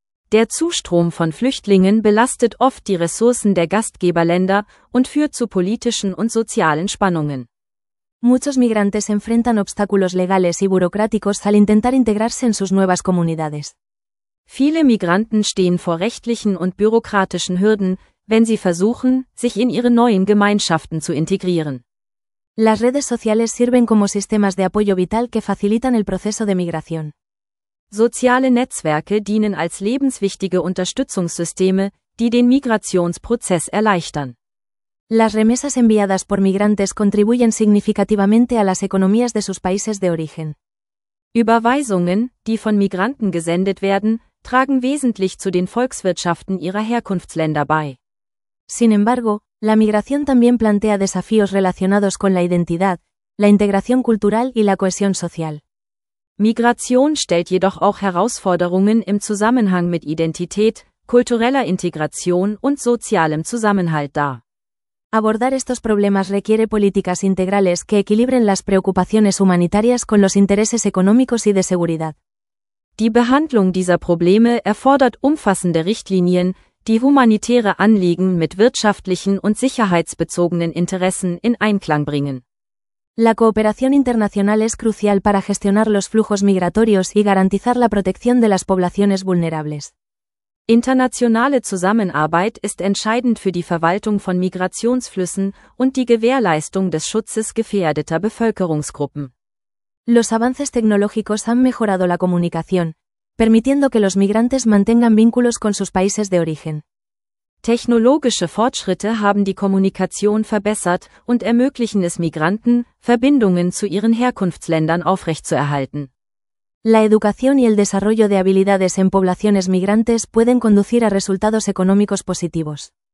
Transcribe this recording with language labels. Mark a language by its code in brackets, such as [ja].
[de] Der Zustrom von Flüchtlingen belastet oft die Ressourcen der Gastgeberländer und führt zu politischen und sozialen Spannungen. [es] Muchos migrantes enfrentan obstáculos legales y burocráticos al intentar integrarse en sus nuevas comunidades. [de] Viele Migranten stehen vor rechtlichen und bürokratischen Hürden, wenn sie versuchen, sich in ihre neuen Gemeinschaften zu integrieren. [es] Las redes sociales sirven como sistemas de apoyo vital que facilitan el proceso de migración. [de] Soziale Netzwerke dienen als lebenswichtige Unterstützungssysteme, die den Migrationsprozess erleichtern. [es] Las remesas enviadas por migrantes contribuyen significativamente a las economías de sus países de origen. [de] Überweisungen, die von Migranten gesendet werden, tragen wesentlich zu den Volkswirtschaften ihrer Herkunftsländer bei. [es] Sin embargo, la migración también plantea desafíos relacionados con la identidad, la integración cultural y la cohesión social. [de] Migration stellt jedoch auch Herausforderungen im Zusammenhang mit Identität, kultureller Integration und sozialem Zusammenhalt dar. [es] Abordar estos problemas requiere políticas integrales que equilibren las preocupaciones humanitarias con los intereses económicos y de seguridad. [de] Die Behandlung dieser Probleme erfordert umfassende Richtlinien, die humanitäre Anliegen mit wirtschaftlichen und sicherheitsbezogenen Interessen in Einklang bringen. [es] La cooperación internacional es crucial para gestionar los flujos migratorios y garantizar la protección de las poblaciones vulnerables. [de] Internationale Zusammenarbeit ist entscheidend für die Verwaltung von Migrationsflüssen und die Gewährleistung des Schutzes gefährdeter Bevölkerungsgruppen. [es] Los avances tecnológicos han mejorado la comunicación, permitiendo que los migrantes mantengan vínculos con sus países de origen. [de] Technologische Fortschritte haben die Kommunikation verbessert und ermöglichen es Migranten, Verbindungen zu ihren Herkunftsländern aufrechtzuerhalten. [es] La educación y el desarrollo de habilidades en poblaciones migrantes pueden conducir a resultados económicos positivos.